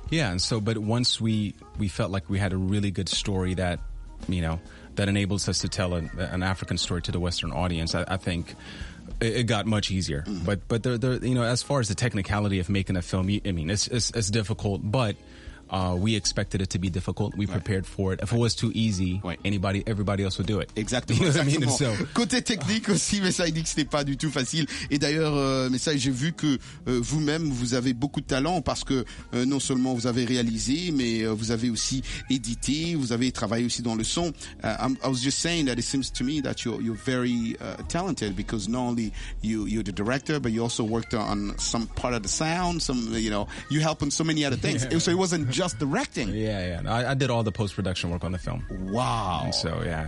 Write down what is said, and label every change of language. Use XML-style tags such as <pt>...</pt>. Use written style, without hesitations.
<en>Yeah, and so, but once we felt like we had a really good story that, you know, that enables us to tell an African story to the Western audience, I think it got much easier. Mm-hmm. But there, you know, as far as the technicality of making a film, I mean, it's difficult, but we expected it to be difficult. We prepared for it. If it was too easy, everybody else would do it.</en> <fr>Exactement.</fr> <en>You know what I mean? So,</en> <fr>côté technique aussi, mais ça, il dit que ce n'est pas du tout facile. Et d'ailleurs, j'ai vu que vous-même, vous avez beaucoup de talent parce que non seulement vous avez réalisé, mais vous avez aussi édité, vous avez travaillé aussi dans le son.</fr> <en>I was just saying that it seems to me that you're very talented because not only you're the director, but you also worked on some part of the sound, you help on so many other things. Yeah. So it wasn't just directing. I did all the post-production work on the film. Wow. And so, yeah.</en>